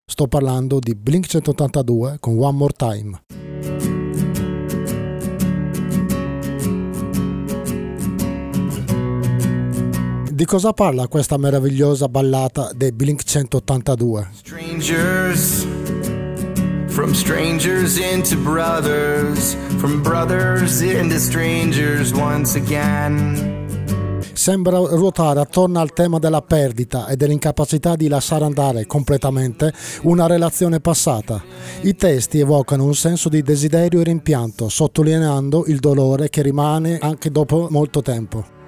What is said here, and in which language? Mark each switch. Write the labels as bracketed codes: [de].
[it] Sto parlando di Blink 182 con One More Time. Di cosa parla questa meravigliosa ballata dei Blink 182? [en] Strangers. From strangers into brothers, from brothers into strangers once again. [it] Sembra ruotare attorno al tema della perdita e dell'incapacità di lasciare andare completamente una relazione passata. I testi evocano un senso di desiderio e rimpianto, sottolineando il dolore che rimane anche dopo molto tempo.